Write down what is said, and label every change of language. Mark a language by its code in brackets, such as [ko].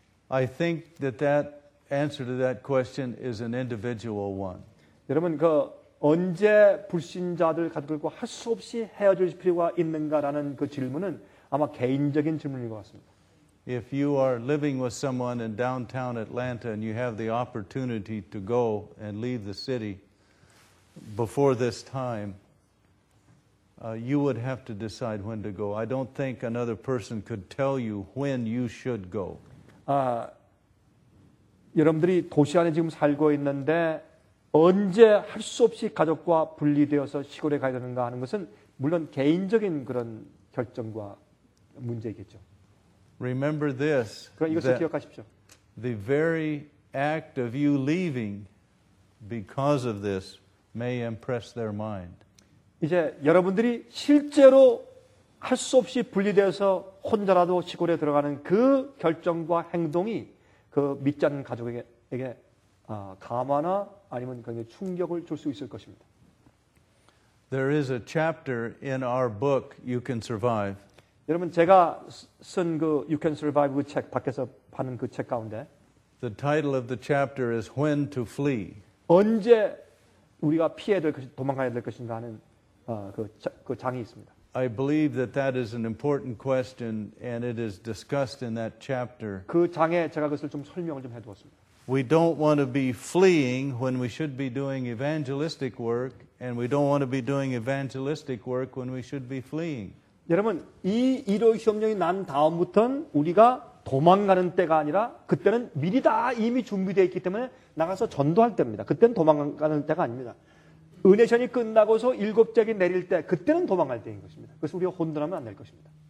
[en] I think that answer to that question is an individual one. [ko] 여러분 그 언제 불신자들 가족들과 할 수 없이 헤어질 필요가 있는가라는 그 질문은 아마 개인적인 질문인 것 같습니다. [en] If you are living with someone in downtown Atlanta and you have the opportunity to go and leave the city before this time, you would have to decide when to go. I don't think another person could tell you when you should go. [ko] 여러분들이 도시 안에 지금 살고 있는데 언제 할 수 없이 가족과 분리되어서 시골에 가야 되는가 하는 것은 물론 개인적인 그런 결정과 문제이겠죠. [en] Remember this. [ko] 그럼 이것을 기억하십시오. [en] The very act of you leaving because of this may impress their mind. [ko] 이제 여러분들이 실제로 할 수 없이 분리되어서 혼자라도 시골에 들어가는 그 결정과 행동이 그 믿지 않는 가족에게 감화나 아니면 굉장히 충격을 줄 수 있을 것입니다. [en] There is a chapter in our book You Can Survive. [ko] 여러분 제가 쓴 그 You Can Survive 그 책 밖에서 파는 그 책 가운데 [en] The title of the chapter is When to Flee. [ko] 언제 우리가 피해야 될 것인가 도망가야 될 것인가 하는 그 장이 있습니다. [en] I believe that that is an important question and it is discussed in that chapter. [ko] 그 장에 제가 그것을 좀 설명을 좀 해두었습니다. [en] We don't want to be fleeing when we should be doing evangelistic work and we don't want to be doing evangelistic work when we should be fleeing. [ko] 여러분, 이 1호 시험령이 난 다음부터는 우리가 도망가는 때가 아니라 그때는 미리 다 이미 준비되어 있기 때문에 나가서 전도할 때입니다. 그때는 도망가는 때가 아닙니다. 은혜션이 끝나고서 일곱째기 내릴 때 그때는 도망갈 때인 것입니다. 그래서 우리가 혼돈하면 안 될 것입니다.